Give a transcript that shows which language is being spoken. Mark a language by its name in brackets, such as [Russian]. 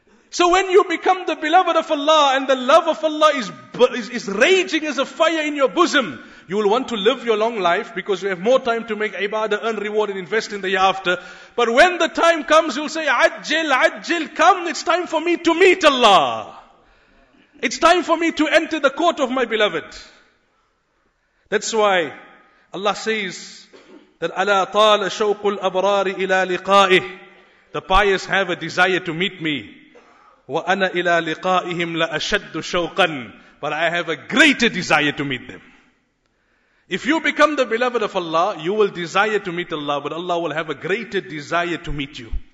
[English] So when you become the beloved of Allah and the love of Allah is raging as a fire in your bosom, you will want to live your long life because you have more time to make ibadah, earn reward and invest in the year after. But when the time comes, you'll say, Ajjil, Ajjil, come, it's time for me to meet Allah. It's time for me to enter the court of my beloved. That's why Allah says that [Arabic] أَلَا طَالَ شَوْقُ الْأَبْرَارِ إِلَى لِقَائِهِ. [English] The pious have a desire to meet me. [Arabic] وَأَنَا إِلَى لِقَائِهِمْ لَأَشَدُّ شَوْقًا. [English] But I have a greater desire to meet them. If you become the beloved of Allah, you will desire to meet Allah, but Allah will have a greater desire to meet you.